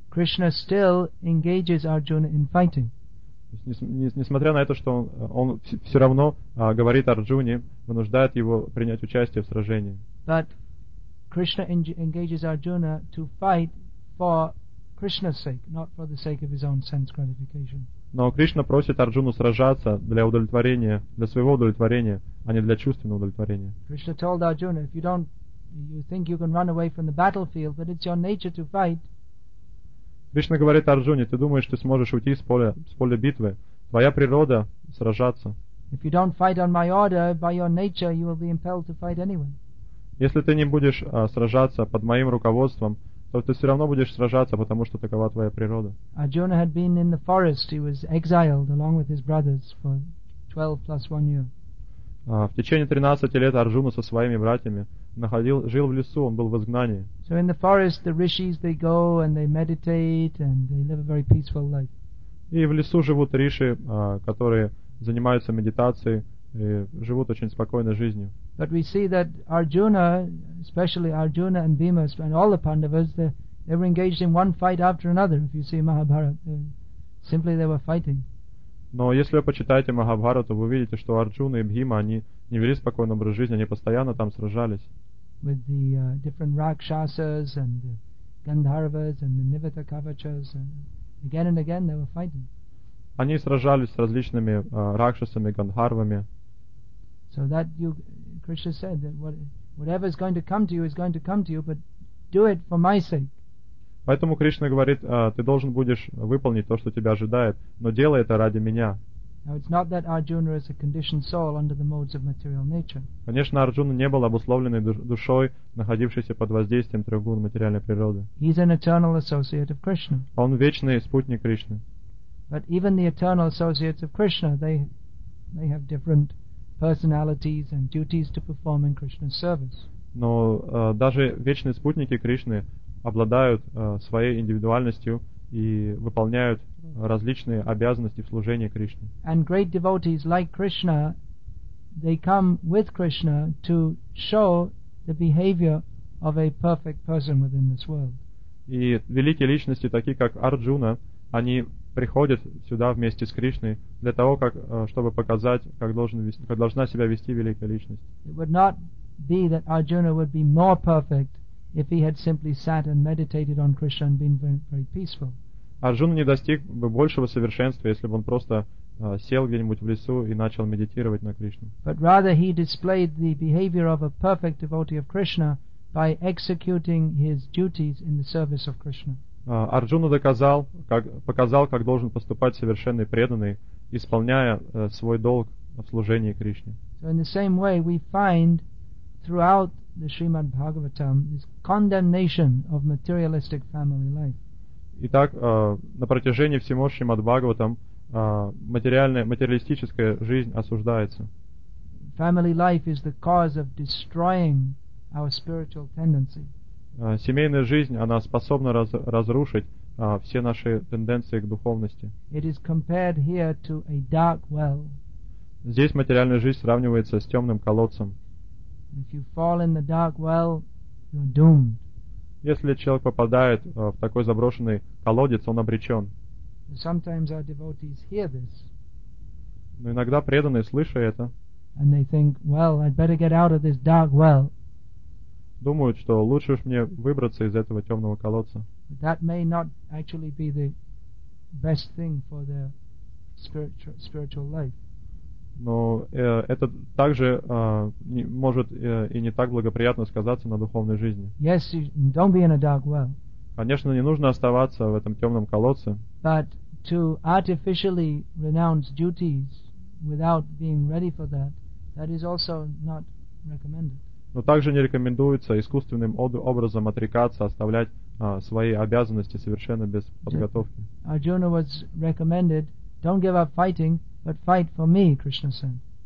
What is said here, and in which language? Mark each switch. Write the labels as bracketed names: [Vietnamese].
[English] Krishna still engages Arjuna in fighting. [Russian] Несмотря на это, что он все равно говорит Арджуне, вынуждает его принять участие в сражении. [English] But Krishna engages Arjuna to fight for Krishna's sake, not for the sake of his own sense gratification. [Russian] Но Кришна просит Арджуну сражаться для удовлетворения, для своего удовлетворения, а не для чувственного удовлетворения. [English] Krishna told Arjuna, if you think you can run away from the battlefield, but it's your nature to fight. [Russian] Кришна говорит Арджуне, ты думаешь, что сможешь уйти с поля битвы? Твоя природа сражаться. [English] If you don't fight on my order, by your nature, you will be impelled to fight anyway. [Russian] Если ты не будешь сражаться под моим руководством, то ты все равно будешь сражаться, потому что такова твоя природа. [English] Arjuna had been in the forest. He was exiled along with his brothers for 12 plus 1 year. [Russian] В течение 13 лет Арджуна со своими братьями жил в лесу, он был в изгнании. [English] So in the forest the rishis they go and they meditate and they live a very peaceful life. [Russian] И в лесу живут риши, которые занимаются медитацией. И живут очень спокойной жизнью. [English] But we see that Arjuna, especially Arjuna and Bhima, and all the Pandavas, they were engaged in one fight after another. If you see Mahabharata, simply they were fighting. [Russian] Но если вы почитаете Махабхарату, вы увидите, что Арджуна и Бхима, они не вели спокойный образ жизни, они постоянно там сражались. [English] With the different Rakshasas and the Gandharvas and the Nivita Kavachas, and again and again they were fighting. [Russian] Они сражались с различными ракшасами, гандхарвами. [English] So that you, Krishna said that whatever is going to come to you is going to come to you, but do it for my sake. [Russian] Поэтому Кришна говорит, ты должен будешь выполнить то, что тебя ожидает, но делай это ради меня. [English] Now it's not that Arjuna is a conditioned soul under the modes of material nature. [Russian] Конечно, Арджуна не был обусловленной душой, находившейся под воздействием трех гун материальной природы. [English] He's an eternal associate of Krishna. [Russian] Он вечный спутник Кришны. [English] But even the eternal associates of Krishna, they have different personalities and duties to perform in Krishna's service. [Russian] Но даже вечные спутники Кришны обладают своей индивидуальностью и выполняют различные обязанности в служении Кришне. [English] And great devotees like Krishna, they come with Krishna to show the behavior of a perfect person within this world. [Russian] И великие личности, такие как Арджуна, они приходит сюда вместе с Кришной для того, чтобы показать, как должна себя вести великая личность. [English] It would not be that Arjuna would be more perfect if he had simply sat and meditated on Krishna and been very, very peaceful. [Russian] Арджуна не достиг бы большего совершенства, если бы он просто сел где-нибудь в лесу и начал медитировать на Кришну. [English] But rather he displayed the behavior of a perfect devotee of Krishna by executing his duties in the service of Krishna. [Russian] Арджуна доказал, как, показал, как должен поступать совершенный преданный, исполняя свой долг в служении Кришне. [English] So in the same way we find throughout the Srimad Bhagavatam this condemnation of materialistic family life. [Russian] Итак, на протяжении всего Шримад Бхагаватам материальная, материалистическая жизнь осуждается. [English] Family life is the cause of destroying our spiritual tendency. [Russian] Семейная жизнь, она способна разрушить все наши тенденции к духовности. [English] It is compared here to a dark well. [Russian] Здесь материальная жизнь сравнивается с темным колодцем. [English] If you fall in the dark well, you're doomed. [Russian] Если человек попадает в такой заброшенный колодец, он обречен. [English] Sometimes our devotees hear this. [Russian] Но иногда преданные, слыша это, [English] and they think, well, I'd better get out of this dark well. [Russian] Думают, что лучше уж мне выбраться из этого темного колодца. [English] But that may not actually be the best thing for their spiritual life. [Russian] Но это также может и не так благоприятно сказаться на духовной жизни. [English] Yes, don't be in a dark well. [Russian] Конечно, не нужно оставаться в этом темном колодце. [English] But to artificially renounce duties without being ready for that, that is also not recommended. [Russian] Но также не рекомендуется искусственным образом отрекаться, оставлять свои обязанности совершенно без подготовки. [English] Arjuna was recommended, don't give up fighting, but fight for me, Krishna said.